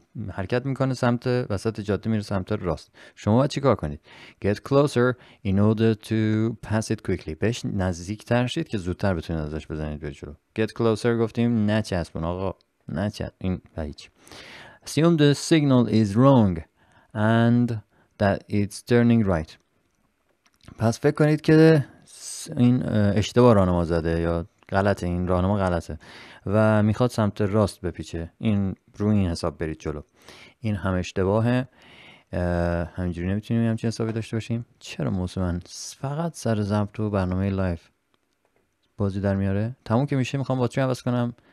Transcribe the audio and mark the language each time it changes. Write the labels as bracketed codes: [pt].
[fa] حرکت میکنه سمت وسط جاده میره سمت راست. شما باید چیکار کنید؟ [en] Get closer in order to pass it quickly. [fa] بهش نزدیک تر شید که زودتر بتونید ازش بزنید به جلو. [en] Get closer [fa] گفتیم نچسبون آقا. این هیچ. [en] Assume the signal is wrong and that it's turning right. [fa] پس فکر کنید که این اشتباه راهنما زده یا غلطه. این راهنما غلطه و میخواد سمت راست بپیچه. این روی این حساب برید جلو. این هم اشتباهه. همینجوری نمیتونیم همچین حسابی داشته باشیم. چرا موضوع من فقط سر ضبط و برنامه لایف بازی در میاره؟ تموم که میشه میخوام باتری عوض کنم.